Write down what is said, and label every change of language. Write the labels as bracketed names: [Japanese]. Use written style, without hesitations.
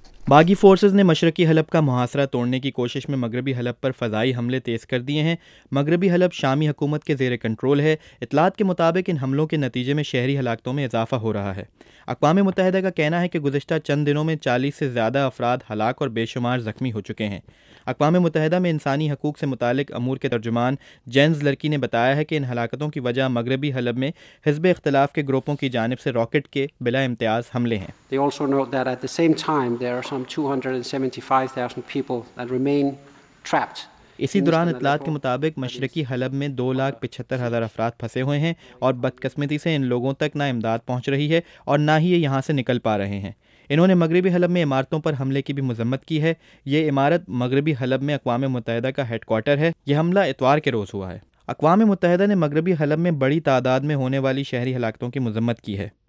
[Urdu] باغی فورسز نے مشرقی حلب کا محاصرہ توڑنے کی کوشش میں مغربی حلب پر فضائی حملے تیز کر دیے ہیں۔ مغربی حلب شامی حکومت کے زیر کنٹرول ہے۔ اطلاعات کے مطابق ان حملوں کے نتیجے میں شہری ہلاکتوں میں اضافہ ہو رہا ہے۔ اقوام متحدہ کا کہنا ہے کہ گزشتہ چند دنوں میں 40 سے زیادہ افراد ہلاک اور بے شمار زخمی ہو چکے ہیں۔ اقوام متحدہ میں انسانی حقوق سے متعلق امور کے ترجمان جینز لرکی نے بتایا ہے کہ ان ہلاکتوں کی وجہ مغربی حلب میں حزب اختلاف کے گروپوں کی جانب سے راکٹ کے بلا امتیاز حملے ہیں۔ [English] They also note that at the same time there are some 275,000 people that remain trapped. [Urdu] اسی دوران اطلاعات کے مطابق مشرقی حلب میں 275,000 افراد پھنسے ہوئے ہیں اور بدقسمتی سے ان لوگوں تک نہ امداد پہنچ رہی ہے اور نہ ہی یہ یہاں سے نکل پا رہے ہیں۔ انہوں نے مغربی حلب میں عمارتوں پر حملے کی بھی مذمت کی ہے۔ یہ عمارت مغربی حلب میں اقوام متحدہ کا ہیڈ کوارٹر ہے۔ یہ حملہ اتوار کے روز ہوا ہے۔ اقوام متحدہ نے مغربی حلب میں بڑی تعداد میں ہونے والی شہری ہلاکتوں کی مذمت کی ہے۔